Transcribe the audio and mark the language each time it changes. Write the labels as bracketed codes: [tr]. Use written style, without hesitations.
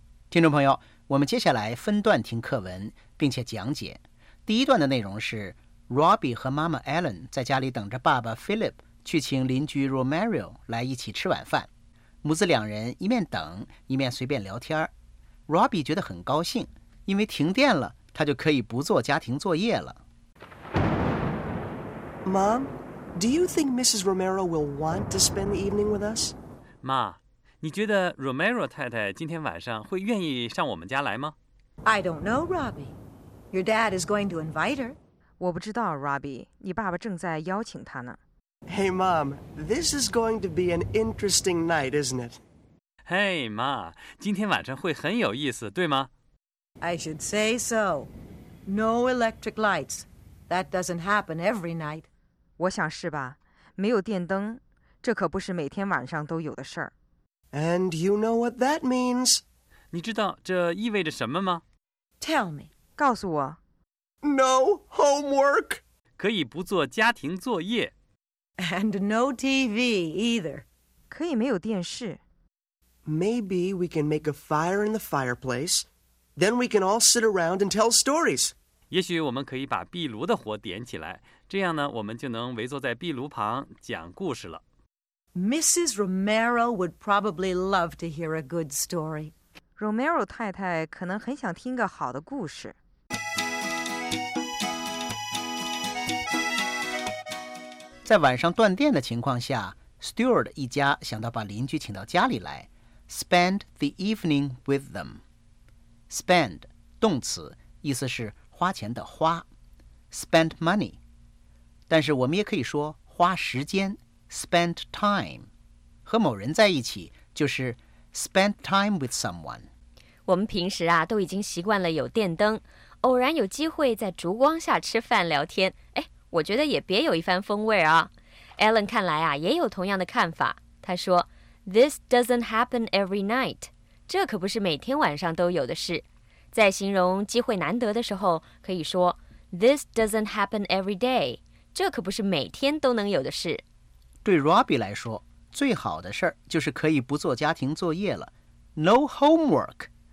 [en] Dear friends, we're going to take a short break and explain the story. The first part of the story is [zh] Robbie 和妈妈 Ellen 在家里等着爸爸 Philip 去请邻居 Romero 来一起吃晚饭。母子两人一面等一面随便聊天。 Robbie 觉得很高兴，因为停电了，他就可以不做家庭作业了。 [en] Mom, do you think Mrs. Romero will want to spend the evening with us? [zh] 妈，你觉得 Romero 太太今天晚上会愿意上我们家来吗？ [en] I don't know, Robbie. Your dad is going to invite her. [zh] 我不知道 Robbie, 你爸爸正在邀请他呢。 [en] Hey, Mom, this is going to be an interesting night, isn't it? [zh] Hey, Ma, 今天晚上会很有意思，对吗？ [en] I should say so. No electric lights. That doesn't happen every night. [zh] 我想是吧，没有电灯，这可不是每天晚上都有的事儿。 [en] And you know what that means? [zh] 你知道这意味着什么吗？ [en] Tell me. [zh] 告诉我。 [en] No homework. [zh] 可以不做家庭作业。 [en] And no TV either. [zh] 可以没有电视。 [en] Maybe we can make a fire in the fireplace. Then we can all sit around and tell stories. [zh] 也许我们可以把壁炉的火点起来，这样呢，我们就能围坐在壁炉旁讲故事了。 [en] Mrs. Romero would probably love to hear a good story. [zh] Romero 太太可能很想听个好的故事。在晚上断电的情况下 ，Stewart 一家想到把邻居请到家里来 ， [en] spend the evening with them。 [zh] spend 动词，意思是花钱的花 ，spend money。但是我们也可以说花时间 ，spend time。和某人在一起就是 [en] spend time with someone。 [zh] 我们平时啊都已经习惯了有电灯，偶然有机会在烛光下吃饭聊天，哎。我觉得也别有一番风味啊。Ellen 看来啊也有同样的看法。她说 [en] This doesn't happen every night. [zh] 这可不是每天晚上都有的事。在形容机会难得的时候可以说 [en] This doesn't happen every day. [zh] 这可不是每天都能有的事。对 Robbie 来说最好的事儿就是可以不做家庭作业了。 [en] No homework.